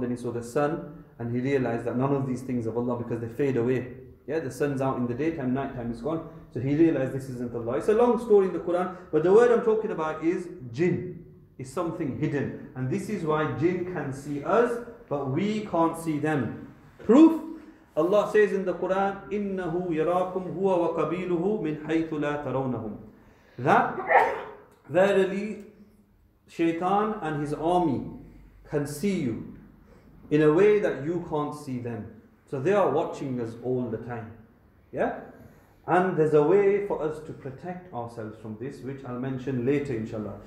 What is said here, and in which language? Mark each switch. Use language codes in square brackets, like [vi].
[en] Then he saw the sun and he realized that none of these things are Allah because they fade away. Yeah, the sun's out in the daytime, nighttime is gone. So he realized this isn't Allah. It's a long story in the Quran, but the word I'm talking about is jinn. It's something hidden. And this is why jinn can see us, but we can't see them. Proof? Allah says in the Quran, [ar] إِنَّهُ يَرَاكُمْ هُوَ وَقَبِيلُهُ مِنْ حَيْثُ لَا تَرَوْنَهُمْ. [en] That, verily, Shaitan and his army can see you in a way that you can't see them. So they are watching us all the time. Yeah? And there's a way for us to protect ourselves from this, which I'll mention later, inshallah.